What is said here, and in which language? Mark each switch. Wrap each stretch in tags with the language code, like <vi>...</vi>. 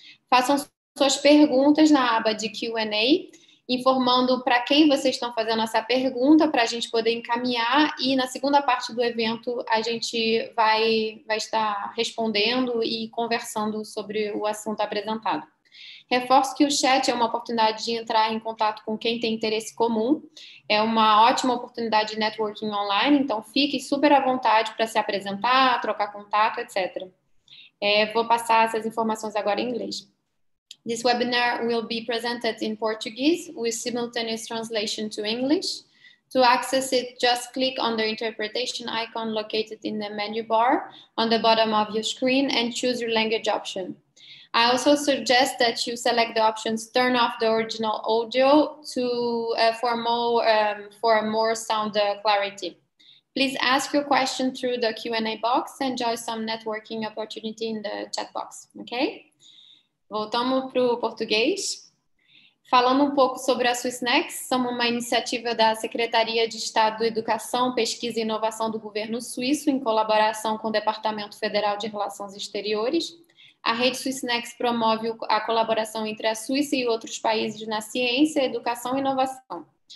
<pt>Façam suas perguntas na aba de Q&A, informando para quem vocês estão fazendo essa pergunta, para a gente poder encaminhar, e na segunda parte do evento a gente vai estar respondendo e conversando sobre o assunto apresentado. Reforço que o chat é uma oportunidade de entrar em contato com quem tem interesse comum. É uma ótima oportunidade de networking online, então fique super à vontade para se apresentar, trocar contato, etc. Vou passar essas informações agora em inglês.</pt> <en>This webinar will be presented in Portuguese with simultaneous translation to English. To access it, just click on the interpretation icon located in the menu bar on the bottom of your screen and choose your language option. I also suggest that you select the options turn off the original audio to for more sound clarity. Please ask your question through the Q&A box and enjoy some networking opportunity in the chat box, okay?</en> <pt>Voltamos para o português. Falando um pouco sobre a Swiss Next, somos uma iniciativa da Secretaria de Estado de Educação, Pesquisa e Inovação do Governo Suíço, em colaboração com o Departamento Federal de Relações Exteriores. A rede Swiss Next promove a colaboração entre a Suíça e outros países na ciência, educação e inovação.</pt>